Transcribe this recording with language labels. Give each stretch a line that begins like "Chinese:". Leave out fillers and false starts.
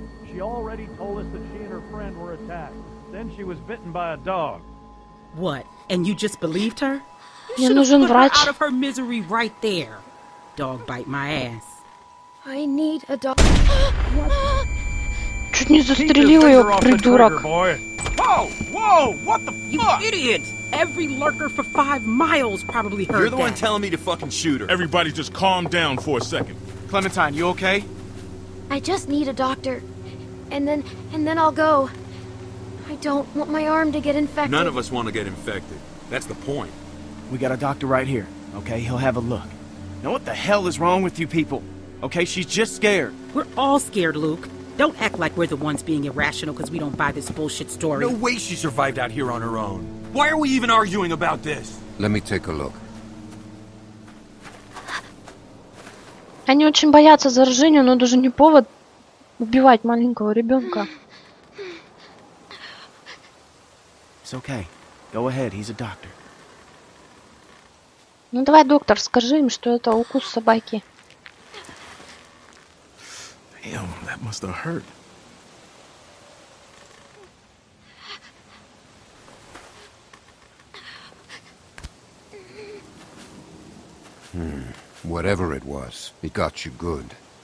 English: She already told us that she and her friend were attacked. Then she was bitten by a dog. What? And you just believed her? You should have put her out of her misery right there. Dog bite my ass. I need a dog.
Russian: Чуть не застрелил ее, придурок.
English: Whoa, whoa, what the fuck? You idiot! Every lurker for 5 miles probably heard that. You're the one telling me to fucking shoot her. Everybody just calm down for a second. Clementine, you okay? I just need a doctor. And then I'll go. I don't want my arm to get infected. None of us want to get infected. That's the point. We got a doctor right here, okay? He'll have a look. Now what the hell is wrong with you people? Okay, she's just scared. We're all scared, Luke. Don't act like we're the ones being irrational because we don't buy this bullshit story. No way she survived out here on her own. Why are we even arguing about this? Let me take a look.
Russian: Они очень боятся заражения, но даже не повод убивать маленького ребенка.
English: It's okay. Go ahead. He's a doctor.
Russian: Ну давай, доктор, скажи им, что это укус собаки.
English: Damn, that must have hurt. Whatever it was, it got you good.